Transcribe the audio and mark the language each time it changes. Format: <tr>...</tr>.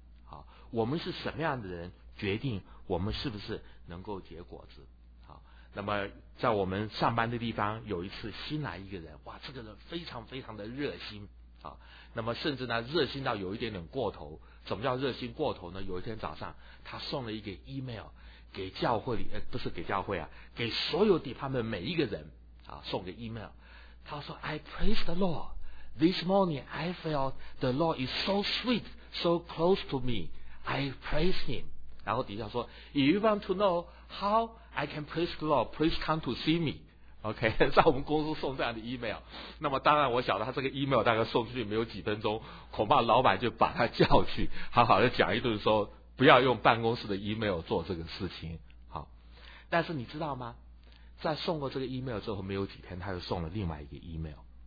<zh>好，我们是什么样的人决定我们是不是能够结果子。那么在我们上班的地方，有一次新来一个人，哇，这个人非常非常的热心啊，那么甚至呢热心到有一点点过头。怎么叫热心过头呢？有一天早上他送了一个 email 给教会里，不是给教会啊，给所有 department 每一个人啊，送个 email， 他说</zh> <en>I praise the Lord this morning， I felt the Lord is so sweet so close to me， I praise him。</en> <zh>然后底下说</zh> <en>If you want to know howI can praise the Lord, please come to see me.</en> <zh>OK， 在我们公司送这样的 email， 那么当然我晓得他这个 email 大概送出去没有几分钟，恐怕老板就把他叫去，好好的讲一顿说，不要用办公室的 email 做这个事情。好，但是你知道吗？在送过这个 email 之后，没有几天他就送了另外一个 email。</zh>